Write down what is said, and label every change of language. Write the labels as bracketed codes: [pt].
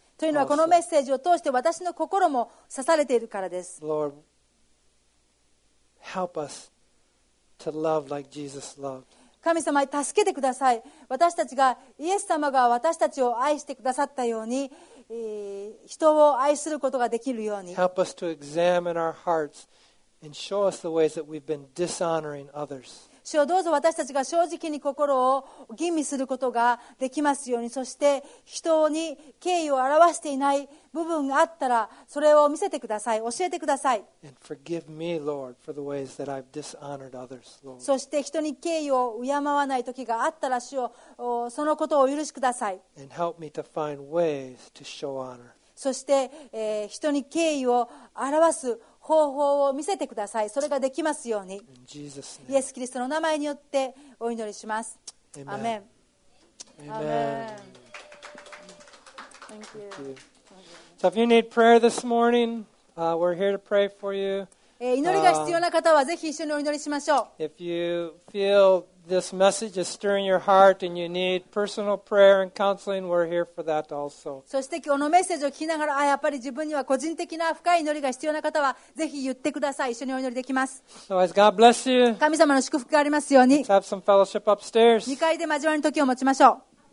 [ja] というのはこのメッセージを通して私の心も刺されているからです。 [en] Lord, help us to love like Jesus loved. [ja] 神様、助けてください。私たちがイエス様が私たちを愛してくださったように、人を愛することができるように、 [en] help us to examine our hearts and show us the ways that we've been dishonoring others. [ja] 主よ、どうぞ私たちが正直に心を吟味することができますように、そして人に敬意を表していない部分があったらそれを見せてください、教えてください。 [en] And forgive me, Lord, for the ways that I've dishonored others, Lord. [ja] そして人に敬意を敬わない時があったら、主よ、そのことをお許しください。 [en] And help me to find ways to show honor. [ja] そして、人に敬意を表す方法を見せてください。それができますように、イエスキリストの名前によってお祈りします。アメン。 [en] So if you need prayer this morning, we're here to pray for you. [ja] 祈りが必要な方はぜひ一緒にお祈りしましょう。 [en] If you feel this message is stirring your heart and you need personal prayer and counseling, we're here for that also. [ja] そしてこのメッセージを聞きながら、やっぱり自分には個人的な深い祈りが必要な方はぜひ言ってください。一緒にお祈りできます。 [en] So as God bless you. [ja] 神様の祝福がありますように。 [en] Let's have some fellowship upstairs. [ja] 2階で交わりの時を持ちましょう。